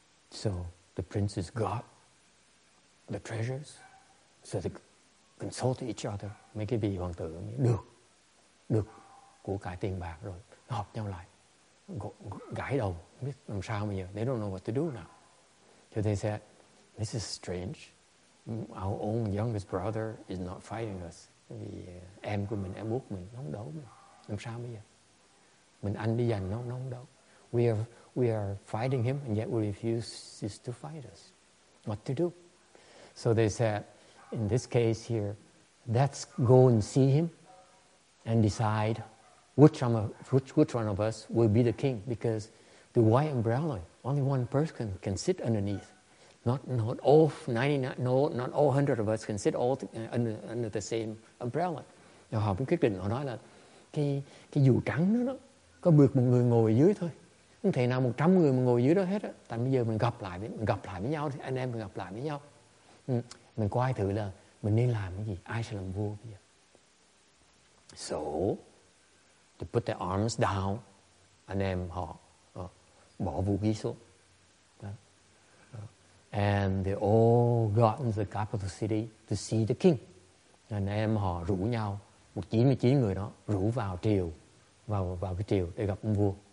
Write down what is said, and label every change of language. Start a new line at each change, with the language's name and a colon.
English: So the princes got the treasures, so they consult each other.
Vietnamese: Mấy cái vị hoàng tử mới được của cải tiền bạc rồi, họp nhau lại. Gãi đầu, không biết làm sao bây giờ.
English: They don't know what to do now. So they said, this is strange. Our own youngest brother is not fighting us.
Vietnamese: Vì em của mình, em út mình, nó không đấu mình. Làm sao bây giờ? Mình anh đi giành, nó không đấu.
English: We are fighting him, and yet we refuse to fight us. What to do? So they said, in this case here, let's go and see him and decide which one of us will be the king, because the white umbrella, only one person can sit underneath. Not all 100 of us can sit all under the same umbrella.
Vietnamese: Và họ quyết định, họ nói là cái dù trắng đó có được một người ngồi dưới thôi. Không thể nào 100 người mà ngồi dưới đó hết á. Tại bây giờ mình gặp lại với nhau, thì anh em mình gặp lại với nhau. Mình coi thử là mình nên làm cái gì, ai sẽ làm vua bây giờ.
English: So, to put their arms down,
Vietnamese: anh em họ bỏ vũ khí xuống.
English: And they all got into the capital city to see the king.
Vietnamese: Anh em họ rủ nhau, 99 người đó rủ vào triều, vào cái triều để gặp ông vua.